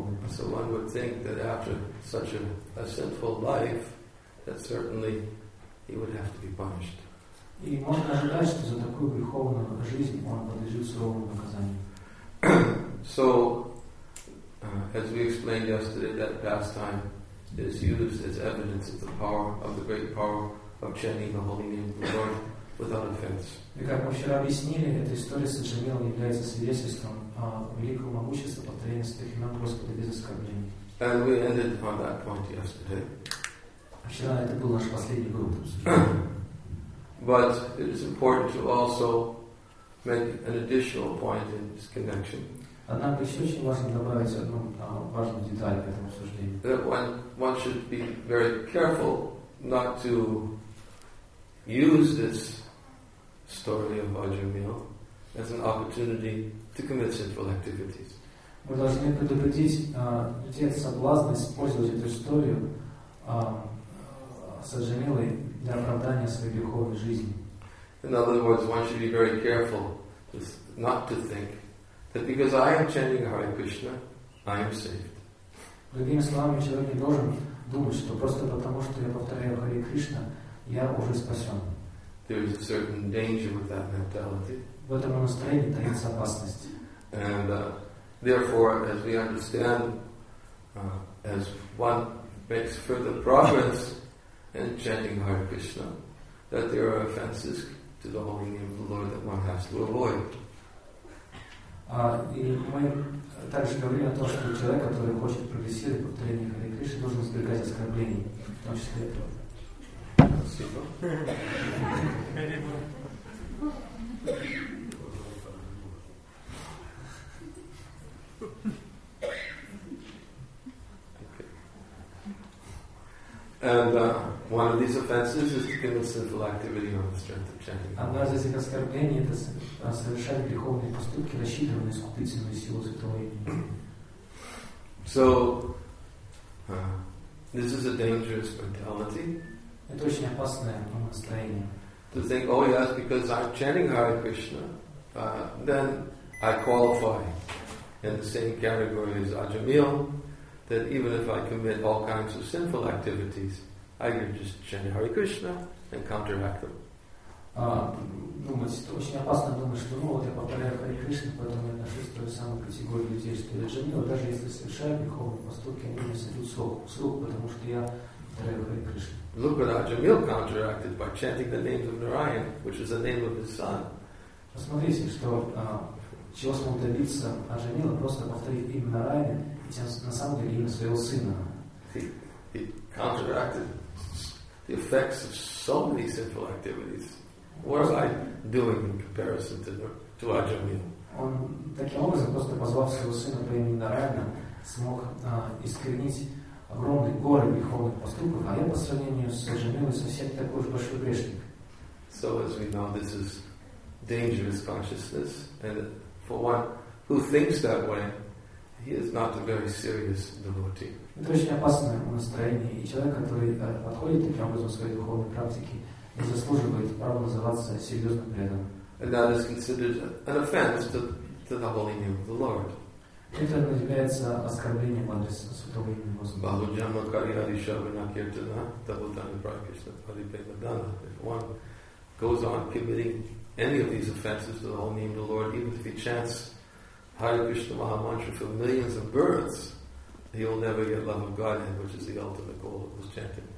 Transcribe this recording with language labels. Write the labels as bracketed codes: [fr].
[en] So one would think that after such a sinful life, that certainly he would have to be punished. [ru] И можно ожидать, что за такую греховную жизнь он подлежит суровому наказанию. [en] So, as we explained yesterday, that pastime is used as evidence of the power of the great power of chanting the holy name of the Lord without offense. [ru] И как мы вчера объяснили, эта история с Джамилом является свидетельством великого могущества повторения святых имен Господа без оскорблений. [en] And we ended on that point yesterday. [ru] Вчера это был наш последний вывод. [en] But it is important to also make an additional point in this connection. [ru] Однако еще очень важно добавить одну важную деталь к этому обсуждению. [en] That one should be very careful not to use this story of Ajameel as an opportunity to commit sinful activities. [ru] Мы должны предупредить людей от соблазна использовать эту историю с Аджамилой для оправдания своей духовной жизни. [en] In other words, one should be very careful not to think that because I am chanting Hare Krishna, I am saved. [ru] Другими словами, человек не должен думать, что просто потому, что я повторяю Hare Krishna, я уже спасен. [en] There is a certain danger with that mentality. [ru] В этом настроении таится опасность. [en] And therefore, as we understand, as one makes further progress in chanting Hare Krishna, that there are offenses to the holy name of the Lord that one has to avoid. [ru] И мы также говорим о том, что человек, который хочет прогрессировать в повторении Hare Krishna, должен избегать оскорблений, в том числе и этого. [en] Okay. And one of these offenses is to commit sinful activity on the strength of chanting. [ru] Одна из этих оскорблений — это совершать греховные поступки, рассчитывая на искупительную силу святого имени. [en] So, this is a dangerous mentality. [ru] Это очень опасное настроение. [en] To think, oh yes, because I'm chanting Hare Krishna, then I qualify in the same category as Ajameel, that even if I commit all kinds of sinful activities, I can just chant Hare Krishna and counteract them. [ru] Думать, очень опасно думать, что вот я повторяю Hare Krishna, поэтому я отношусь к той самой категории людей, что я Ajameel, даже если совершаю греховные поступки, они не сойдут с рук, потому что я повторяю Hare Krishna. [en] Lukunda Jamil counteracted by chanting the names of Narayan, which is the name of his son. [ru] Посмотрите, что чего смог добиться Аджамила, просто повторив имя Нараяна, и тем на самом деле имя своего сына. [en] He counteracted the effects of so many sinful activities. What am I doing in comparison to Аджамила? [ru] Он таким образом, просто позвав своего сына по имени Нараяна, смог искоренить огромный горы греховных поступков, а я по сравнению с Аджамилой совсем такой же большой грешник. [en] So as we know, this is dangerous consciousness, and for one who thinks that way, he is not a very serious devotee. [ru] Это очень опасное настроение, и человек, который подходит таким образом к своей духовной практике, не заслуживает права называться серьезным преданным. [en] And that is considered an offense to the holy name of the Lord. [ru] Это называется оскорблением адрес святого имени Господа. [sa] Бхагаваджама Кариади Шарвана Киртана Табхутана Пракишна Падипема Дана. [en] If one goes on committing any of these offenses to the holy name of the Lord, even if he chants Hare Krishna Mahamantra for millions of births, he will never get love of Godhead, which is the ultimate goal of his chanting.